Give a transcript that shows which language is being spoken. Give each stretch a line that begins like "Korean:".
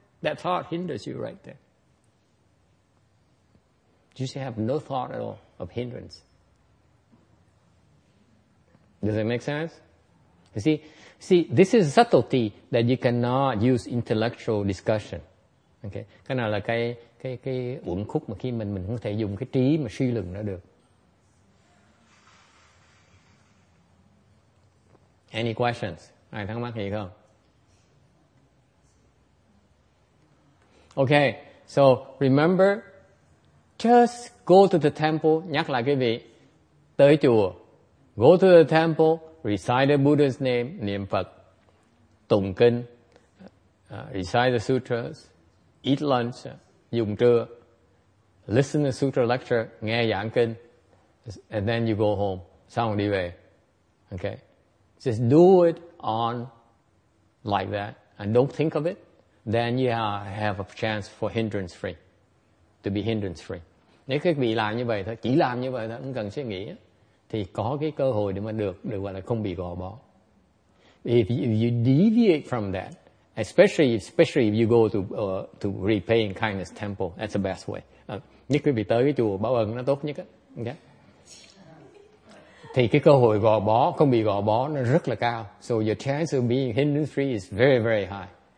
English: That thought hinders you right there. You should have no thought at all of hindrance. Does it make sense? You see, this is subtlety that you cannot use intellectual discussion.
Vietnamese: Okay, cái nào là cái uẩn khúc mà khi mình không thể dùng cái trí mà suy luận nó được.
English: Any questions?
Vietnamese: Ai thắc mắc gì không?
English: Okay, so remember, just go to the temple,
Vietnamese: nhắc lại quý vị, tới chùa,
English: go to the temple, recite the Buddha's name,
Vietnamese: niệm Phật, tụng kinh,
English: recite the sutras, eat lunch,
Vietnamese: dùng trưa,
English: listen to sutra lecture,
Vietnamese: nghe giảng kinh,
English: and then you go home,
Vietnamese: xong đi về.
English: Okay? Just do it on like that, and don't think of it. Then you have a chance for hindrance free, to be hindrance free.
Vietnamese: Nếu các vị làm như vậy thôi, chỉ làm như vậy thôi, không cần suy nghĩ, thì có cái cơ hội để mà được gọi là không bị gò bó.
English: If you deviate from that, especially if you go to repaying kindness temple, that's the best way.
Vietnamese: Nếu quý vị tới cái chùa báo ân nó tốt nhất á, okay? Thì cái cơ hội gò bó, không bị gò bó nó rất là cao.
English: So your chance of being hindrance free is very very high.